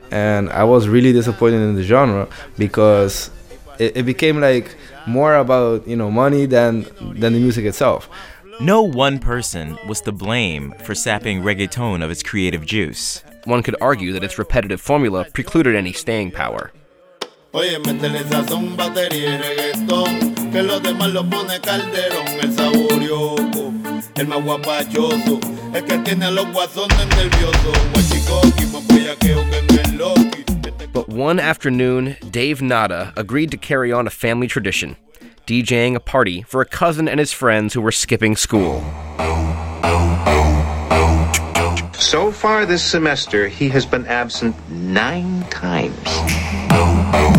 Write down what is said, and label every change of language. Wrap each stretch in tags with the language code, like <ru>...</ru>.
<en>And I was really disappointed in the genre because it became like more about, you know, money than the music itself. No one person was to blame for sapping reggaeton of its creative juice. One could argue that its repetitive formula precluded any staying power.</en> <es>Oye, métele sazón, batería y reggaeton. que los demás lo pone Calderón, el saborioso, el más guapachoso, el que tiene a los guasones nerviosos, guachicoqui, mapuya queo que no es loqui.</es> <en>But one afternoon, Dave Nada agreed to carry on a family tradition, DJing a party for a cousin and his friends who were skipping school. So far this semester, he has been absent 9 times.</en>